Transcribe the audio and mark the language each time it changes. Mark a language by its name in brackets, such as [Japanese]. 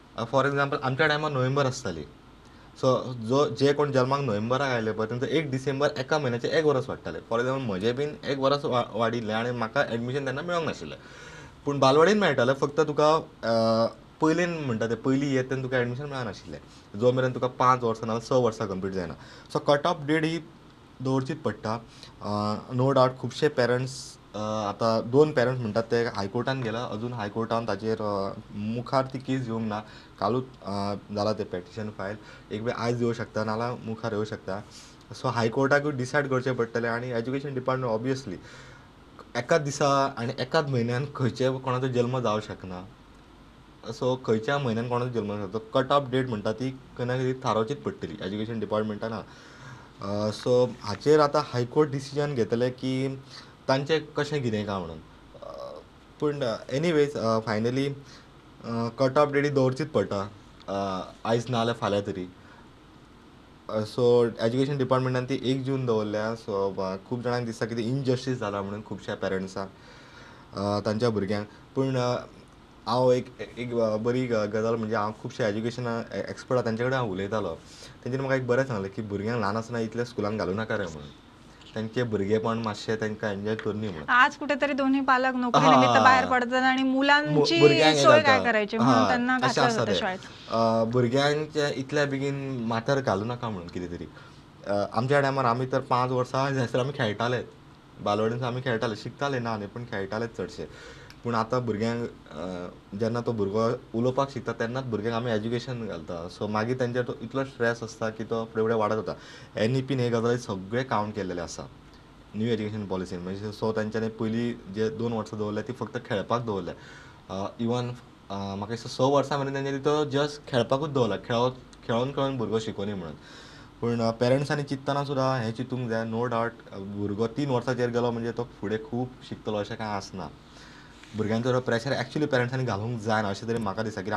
[Konkani] For example आमच्या टायमार नोव्हेंबर आसताली. सो जो जे कोण जल्माक नोव्हेंबराक आयले पळय तेंचो 1 डिसेंबर 1 महिन्याचें 1 वर्स वाडटालें. फॉर एग्जाम्पल म्हजें बीन 1 वर्स वाडिल्लें आनी म्हाका एडमिशन तेन्ना मेळोंक नाशिल्लें, पूण बालवाडीन मेळटालें. फक्त तुका पयलीं म्हणटा ते पयलीं येत तेन्ना तुका एडमिशन मेळनाशिल्लें, जो मेरेन तुका 5 वर्सां ना 6 वर्सां कंप्लीट जायना. सो कट ऑफ डेट ही दवरचीच पडटा. नो डावट खुबशे पेरंट्स, आतां 2 पेरंट्स म्हणटात ते हायकोर्टान गेला, अजून हायकोर्टान ताचेर मुखार ती केस घेवंक ना. कालूच जाला ते पेटिशन फायल, एक वेळ आयज येवं शकता नाल्यार मुखार येवं शकता. सो हायकोर्टाकूय डिसायड करचें पडटलें आनी एज्युकेशन डिपार्टमेंट ऑब्वियसली 1 दिसा आनी 1 म्हयन्यान खंयचे कोणाचो जल्म जावं शकना. सो खंयच्या म्हयन्यान कोणाचो जल्म जावं शकता कट ऑफ डेट म्हणटा ती कोणा खातीर थारोवचीच पडटली एज्युकेशन डिपार्टमेंटान. सो हाचेर आतां हायकोर्ट डिसिजन घेतले की तांचें कशें कितें काय म्हणून. पूण anyways finally cut off date ही दवरचीच पडटा आयज नाल्यार फाल्यां तरी. सो एज्युकेशन डिपार्टमेंटान ती 1 जून दवरल्या. सो खूब जाणांक दिसता की ती इनजस्टीस जाला म्हणून खुबश्या पेरंट्सांक तांच्या भुरग्यांक. पूण हांव एक बरी गजाल म्हणजे हांव खुबशे एज्युकेशन एक्सपर्ट आहा तांचे कडेन हांव उलयतालो, तेंच्यानी म्हाका एक बरें सांगलें की भुरग्यांक ल्हान आसतना इतले स्कुलान घालूं नाका रे म्हणून, तांचे भुरगेपण मातशें तांकां एन्जॉय करनी म्हणून. [Marathi] आज कुठेतरी दोन्ही पालक नोकरी निमित्त बाहेर पडतात आणि मुलांची सोय काय करायची म्हणून त्यांना काय करायचं शाळेत. [Konkani] भुरग्यांच्या इतल्या बेगीन माथ्यार घालू नाका म्हणून कितें तरी. आमच्या टायमार आम्ही तर 5 वर्सां जायसर आम्ही खेळटाले, बालवाडीन आम्ही खेळटाले, शिकताले ना न्ही पण खेळटालेच चडशे. पूण आतां भुरग्यांक जेन्ना तो भुरगो उलोवपाक शिकता तेन्नाच भुरग्यांक आमी एज्युकेशन घालता. सो मागीर तेंचेर तो इतलो स्ट्रेस आसता की तो फुडें वाडत वता. NEP हे गजाली सगळे काउंट केलेले आसा न्यू एज्युकेशन पॉलिसीन. म्हणजे सो तेंच्यांनी पयलीं जे 2 वर्सां दवरल्या ती फक्त खेळपाक दवरल्या. इवन म्हाका दिसता 6 वर्सां मेरेन तेंच्यांनी तो जस्ट खेळपाकूच दवरला, खेळून भुरगो शिकोनी म्हणून. पूण पेरंट्सांनी चिंतना सुद्दां हें चिंतूंक जाय, नो डावट भुरगो 3 वर्सांचेर गेलो म्हणजे तो फुडें खूब शिकतलो अशें कांय आसना. भुरग्यांचो प्रेशर ॲक्च्युली पेरंट्सांनी घालूंक जायना अशें तरी म्हाका दिसता.